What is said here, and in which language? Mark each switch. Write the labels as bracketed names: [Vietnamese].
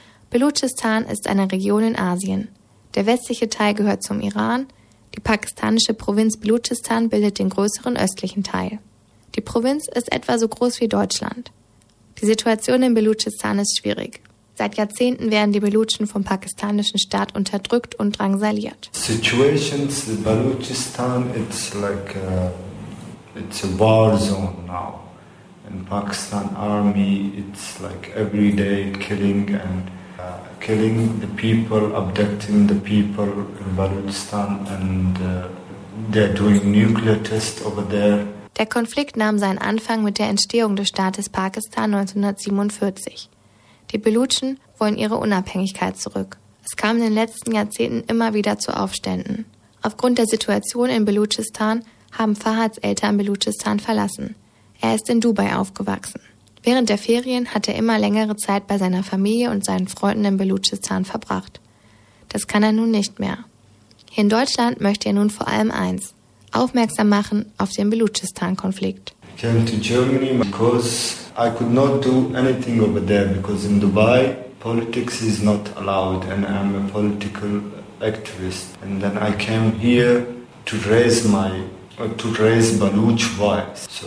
[German] Belutschistan ist eine Region in Asien. Der westliche Teil gehört zum Iran. Die pakistanische Provinz Belutschistan bildet den größeren östlichen Teil. Die Provinz ist etwa so groß wie Deutschland. Die Situation in Belutschistan ist schwierig. Seit Jahrzehnten werden die Belutschen vom pakistanischen Staat unterdrückt und drangsaliert. [English] Situations in Belutschistan, it's like it's a war zone now. In Pakistan army, it's like every day killing and killing the people, abducting the people in Balochistan and they're doing nuclear tests over there. [German] Der Konflikt nahm seinen Anfang mit der Entstehung des Staates Pakistan 1947. Die Belutschen wollen ihre Unabhängigkeit zurück. Es kam in den letzten Jahrzehnten immer wieder zu Aufständen. Aufgrund der Situation in Balochistan haben Farhads Eltern Balochistan verlassen. Er ist in Dubai aufgewachsen. Während der Ferien hat er immer längere Zeit bei seiner Familie und seinen Freunden in Belutschistan verbracht. Das kann er nun nicht mehr. Hier in Deutschland möchte er nun vor allem eins: aufmerksam machen auf den Belutschistan-Konflikt. [English] I came to Germany because I could not do anything over there because in Dubai politics is not allowed and I'm a political activist. And then I came here to raise Baluch voice.